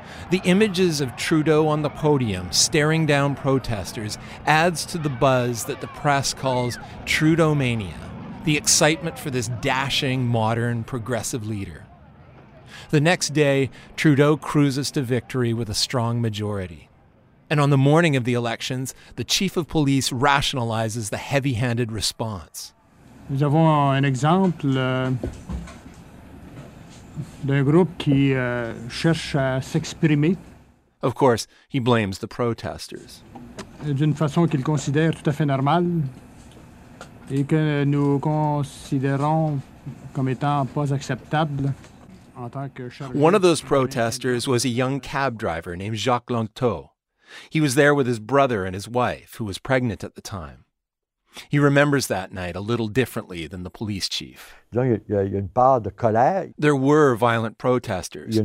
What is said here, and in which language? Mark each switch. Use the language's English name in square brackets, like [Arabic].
[English] The images of Trudeau on the podium staring down protesters adds to the buzz that the press calls Trudeau-mania, the excitement for this dashing, modern, progressive leader. The next day, Trudeau cruises to victory with a strong majority. And on the morning of the elections, the chief of police rationalizes the heavy-handed response. [French] Nous avons un exemple d'un groupe qui cherche à s'exprimer. [English] Of course, he blames the protesters. [French] D'une façon qu'il considère tout à fait normale et que nous considérons comme étant pas acceptable en tant que chargé. [English] One of those protesters was a young cab driver named Jacques Longteau. He was there with his brother and his wife, who was pregnant at the time. He remembers that night a little differently than the police chief. There were violent protesters.